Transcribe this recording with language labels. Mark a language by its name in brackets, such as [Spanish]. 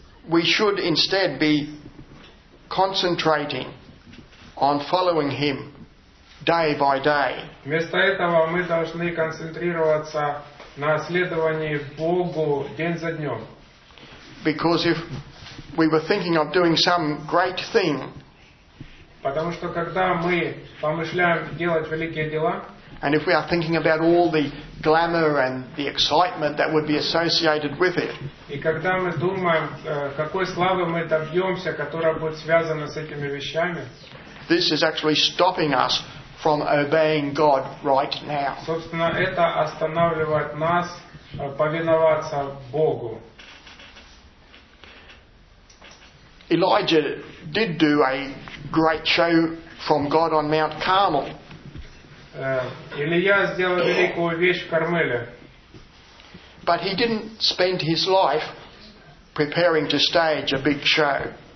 [English] We should instead be concentrating on following him day by day. [Russian] Вместо этого мы должны концентрироваться на следовании Богу день за днём. [English] Because if we were thinking of doing some great thing, [Russian] потому что когда мы помышляем делать великие дела, [English] and if we are thinking about all the glamour and the excitement that would be associated with it, [Russian] и когда мы думаем, какой славы мы добьемся, которая будет связана с этими вещами, [English] this is actually stopping us from obeying God right now. [Russian] Собственно, это останавливает нас повиноваться Богу. [English] Elijah did do a great show from God on Mount Carmel. [Russian] Илия сделал великую вещь в Кармеле. [English] But he didn't spend his life preparing to stage a big show.